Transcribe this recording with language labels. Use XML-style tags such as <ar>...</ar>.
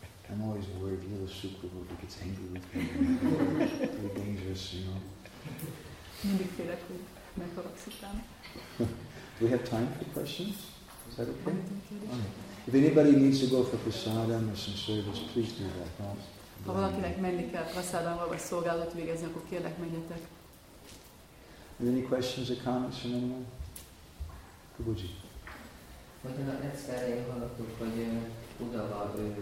<en>I'm always worried little Sukra Prabhu gets angry with me. Very dangerous, you know. Do we have time for questions? Is that okay? Right. If anybody needs to go for prasadam or some service, please do that. Right?</en> <hu>Ha valakinek menni kell prasadamra vagy szolgálatot végezni, akkor kérlek, menjetek.</hu> <en>Any questions or comments from anyone? Prabhuji.</en> <hu>Vagy a egyszerén hallottuk, hogy Udava</hu>